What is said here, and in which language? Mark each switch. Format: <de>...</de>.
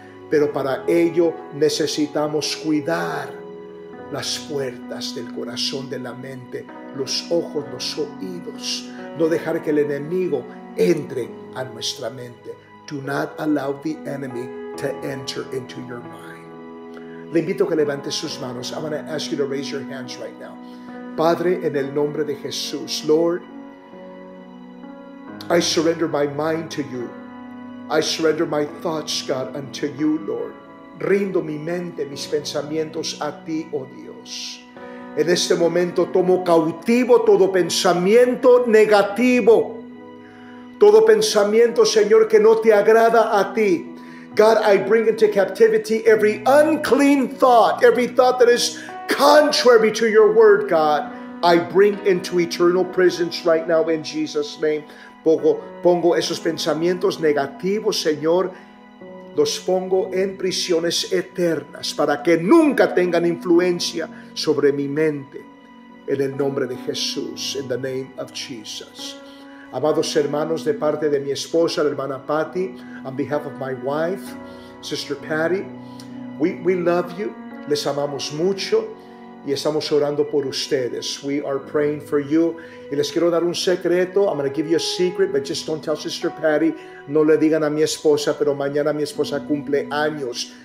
<es>Pero para ello necesitamos cuidar las puertas del corazón, de la mente, los ojos, los oídos. No dejar que el enemigo entre a nuestra mente.</es> <en>Do not allow the enemy to enter into your mind.</en> <es>Le invito a que levante sus manos.</es> <en>I'm going to ask you to raise your hands right now.</en> <es>Padre, en el nombre de Jesús,</es> <en>Lord, I surrender my mind to you. I surrender my thoughts, God, unto you, Lord.</en> <es>Rindo mi mente, mis pensamientos a ti, oh Dios. En este momento tomo cautivo todo pensamiento negativo. Todo pensamiento, Señor, que no te agrada a ti.</es> <en>God, I bring into captivity every unclean thought, every thought that is contrary to your word, God. I bring into eternal presence right now in Jesus' name.</en> <es>Pongo esos pensamientos negativos, Señor. Los pongo en prisiones eternas para que nunca tengan influencia sobre mi mente. En el nombre de Jesús,</es> <en>in the name of Jesus.</en> <es>Amados hermanos, de parte de mi esposa, la hermana Patty,</es> <en>on behalf of my wife, Sister Patty, we love you,</en> <es>les amamos mucho y estamos orando por ustedes.</es> <en>We are praying for you.</en> <es>Y les quiero dar un secreto.</es> <en>I'm going to give you a secret, but just don't tell Sister Patty.</en> <es>No le digan a mi esposa, pero mañana mi esposa cumple años.</es>